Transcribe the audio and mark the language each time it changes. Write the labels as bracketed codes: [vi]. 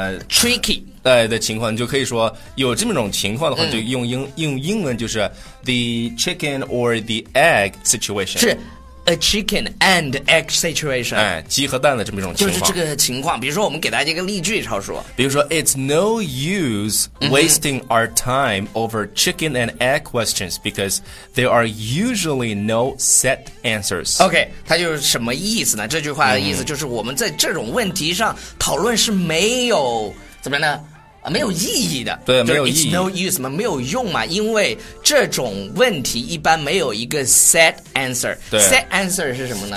[en] tricky [zh] 的情况，你就可以说有这么种情况的话，就用英文，就是 [en] the chicken or the egg situation，是 a chicken and egg situation， [zh] 哎，鸡和蛋的这么一种情况，就是这个情况。比如说，我们给大家一个例句，超叔，比如说 [en] it's no use wasting our time over chicken and egg questions because there are usually no set answers。 [zh] OK， 它就是什么意思呢？这句话的意思就是我们在这种问题上讨论是没有。怎么样呢？没有意义的，对，没有意义。 [en] It's no use [zh] 嘛，没有用嘛，因为这种问题一般没有一个 set answer。对，set answer 是什么呢？